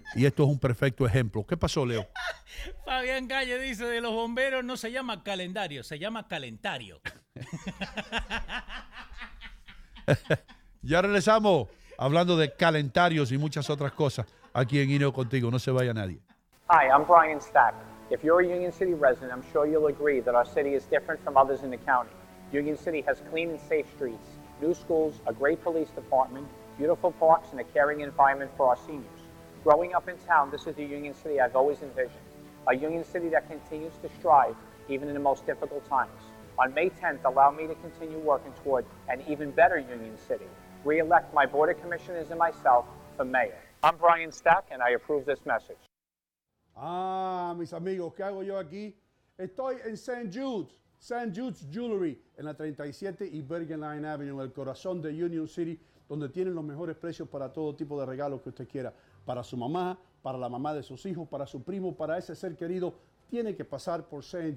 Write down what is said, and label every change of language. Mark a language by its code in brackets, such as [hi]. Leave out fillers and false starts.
[es] Y esto es un perfecto ejemplo. ¿Qué pasó, Leo? Fabián Calle dice, de los bomberos no se llama calendario, se llama calentario. Ya regresamos. Hablando de calendarios y muchas otras cosas, aquí en Ineo Contigo, no se vaya nadie. [en] Hi, I'm Brian Stack. If you're a Union City resident, I'm sure you'll agree that our city is different from others in the county. Union City has clean and safe streets, new schools, a great police department, beautiful parks, and a caring environment for our seniors. Growing up in town, this is the Union City I've always envisioned. A Union City that continues to strive, even in the most difficult times. On May 10th, allow me to continue working toward an even better Union City. Re-elect my board of commissioners and myself for mayor. I'm Brian Stack, and I approve this message. [es] Ah, mis amigos, ¿qué hago yo aquí? Estoy en St. Jude's Jewelry, en la 37 y Bergen Line Avenue, en el corazón de Union City, donde tienen los mejores precios para todo tipo de regalos que usted quiera. Para su mamá, para la mamá de sus hijos, para su primo, para ese ser querido, tiene que pasar por St.